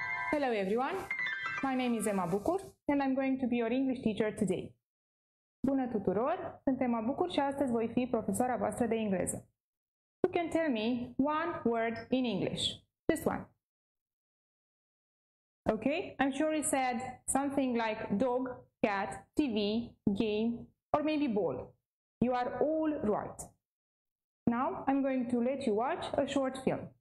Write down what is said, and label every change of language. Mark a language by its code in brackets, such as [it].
[en] Hello everyone, my name is Emma Bucur and I'm going to be your English teacher today. [ro] Bună tuturor, sunt Emma Bucur și astăzi voi fi profesoara voastră de engleză. [en] You can tell me one word in English, just one. Okay, I'm sure you said something like dog, cat, TV, game, or maybe ball. You are all right. Now I'm going to let you watch a short film.